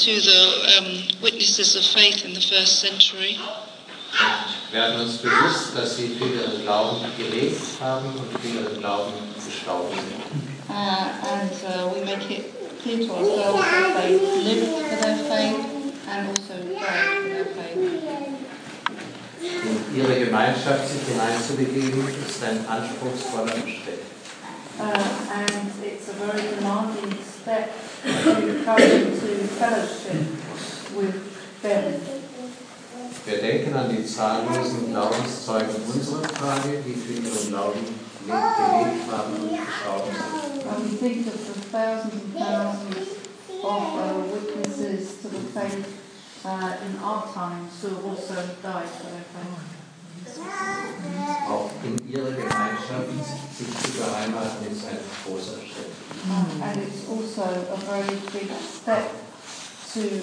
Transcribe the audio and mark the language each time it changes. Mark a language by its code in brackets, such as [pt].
[en] And we're connecting ourselves to the witnesses of faith in the first century. [de] Wir werden uns bewusst, dass sie für ihren Glauben gelebt haben und für ihren Glauben gestorben sind. [en] And we make it clear to ourselves that they lived for their faith and also died for their faith. [de] In ihre Gemeinschaft sich hineinzubegeben, ist ein anspruchsvoller Schritt. [en] And it's a very demanding step to come into fellowship with them. [de] Wir denken an die zahllosen Glaubenszeugen unserer Tage, die für ihren Glauben gelebt haben und gestorben sind. [en] And we think of the thousands and thousands of witnesses to the faith in our time, who also died for their faith. [de] Auch in ihrer Gemeinschaft sich zu beheimaten ist ein großer Schritt. [en] And it's also a very big step to,